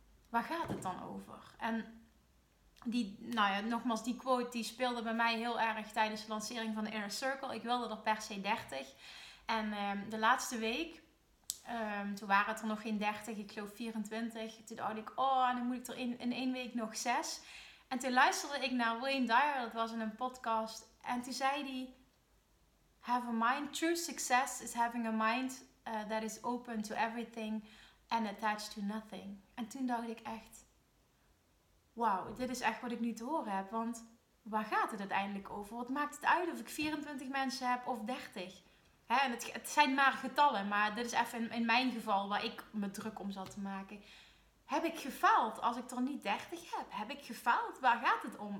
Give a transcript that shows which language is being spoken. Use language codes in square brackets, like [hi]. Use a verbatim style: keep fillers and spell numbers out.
[nl] Waar gaat het dan over? En die, nou ja, nogmaals, die quote die speelde bij mij heel erg tijdens de lancering van de Inner Circle. Ik wilde er per se dertig. En um, de laatste week, um, toen waren het er nog geen dertig, ik geloof vierentwintig. Toen dacht ik, oh, en dan moet ik er in, in één week nog zes. En toen luisterde ik naar Wayne Dyer, dat was in een podcast. En toen zei hij, [en] have a mind, true success is having a mind uh, that is open to everything and attached to nothing. [nl] En toen dacht ik echt, wauw, dit is echt wat ik nu te horen heb. Want waar gaat het uiteindelijk over? Wat maakt het uit of ik vierentwintig mensen heb of dertig? He, en het, het zijn maar getallen, maar dit is even in, in mijn geval waar ik me druk om zat te maken. Heb ik gefaald als ik er niet dertig heb? Heb ik gefaald? Waar gaat het om?